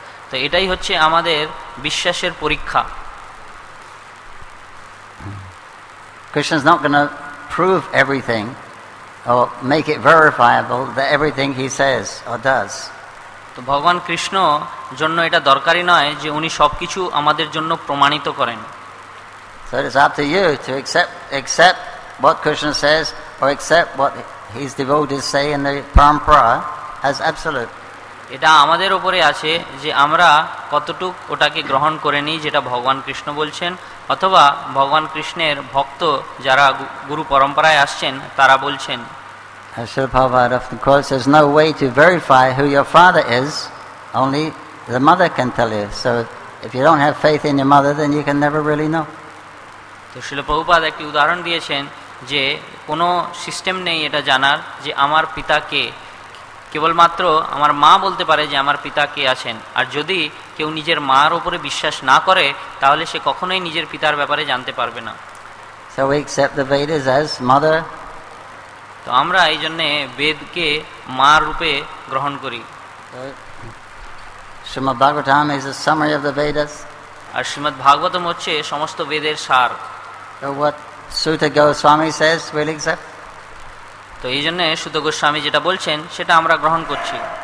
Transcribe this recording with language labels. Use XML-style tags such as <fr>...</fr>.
<bn>তো এটাই হচ্ছে আমাদের বিশ্বাসের পরীক্ষা।</bn> <en>Krishna's not going to prove everything or make it verifiable that everything he says or does.</en> <bn>তো ভগবান কৃষ্ণ জন্য এটা দরকারই নয় যে উনি সবকিছু আমাদের জন্য প্রমাণিত করেন।</bn> <en>So it's up to you to accept what Krishna says, or accept what his devotees say in the parampara as absolute.</en> <bn>এটা আমাদের উপরে আছে যে আমরা কতটুক ওটাকে গ্রহণ করে নিই যেটা ভগবান কৃষ্ণ বলছেন অথবা ভগবান কৃষ্ণের ভক্ত যারা গুরু পরম্পরায় আসছেন তারা বলছেন</bn> <en>Srila Prabhupada of course there's no way to verify who your father is only the mother can tell you so if you don't have faith in your mother then you can never really know</en> <bn>তো শ্রীলা প্রভুপাদ একটি উদাহরণ দিয়েছেন যে কোনো system নেই এটা জানার যে আমার পিতা কে কেবলমাত্র আমার মা বলতে পারে যে আমার পিতা কে আছেন আর যদি কেউ নিজের মার উপরে বিশ্বাস না করে তাহলে সে কখনোই নিজের পিতার ব্যাপারে জানতে পারবে না</bn> <en>So we accept the Vedas as mother</en> <bn>তো আমরা এই জন্য বেদ কে মার রূপে গ্রহণ করি</bn> <en>Srimad Bhagavatam is a summary of the Vedas</en> <bn>আর শ্রীমদ্ ভাগবতম হচ্ছে সমস্ত বেদের সার</bn> <en>So what Suta Goswami says we'll accept</en> <bn>তো এই জন্য সুত গোস্বামী যেটা বলছেন সেটা আমরা গ্রহণ করছি</bn>